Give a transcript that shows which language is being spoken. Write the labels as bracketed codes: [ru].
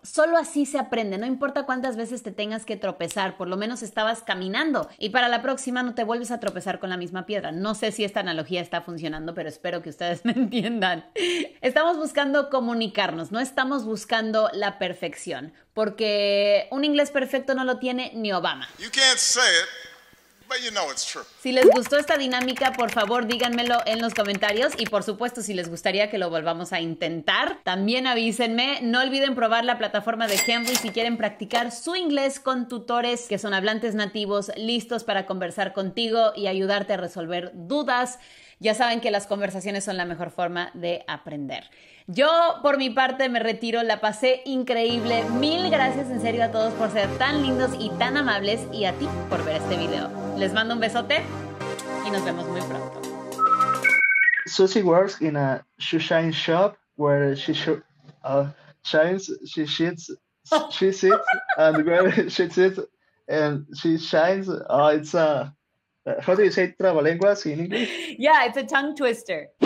[es] Solo así se aprende. No importa cuántas veces te tengas que tropezar, por lo menos estabas caminando. Y para la próxima no te vuelves a tropezar con la misma piedra. No sé si esta analogía está funcionando, pero espero que ustedes me entiendan. Estamos buscando comunicarnos, no estamos buscando la perfección, porque un inglés perfecto no lo tiene ni Obama. [en] You can't say it, but you know it's true. [es] Si les gustó esta dinámica, por favor díganmelo en los comentarios y por supuesto si les gustaría que lo volvamos a intentar, también avísenme. No olviden probar la plataforma de Cambly si quieren practicar su inglés con tutores que son hablantes nativos listos para conversar contigo y ayudarte a resolver dudas. Ya saben que las conversaciones son la mejor forma de aprender. Yo, por mi parte, me retiro. La pasé increíble. Mil gracias en serio a todos por ser tan lindos y tan amables y a ti por ver este video. Les mando un besote y nos vemos muy pronto. [en] Susie works in a shoeshine shop where she shines. Oh, it's a... How do you say trabalenguas in English? Yeah, it's a tongue twister.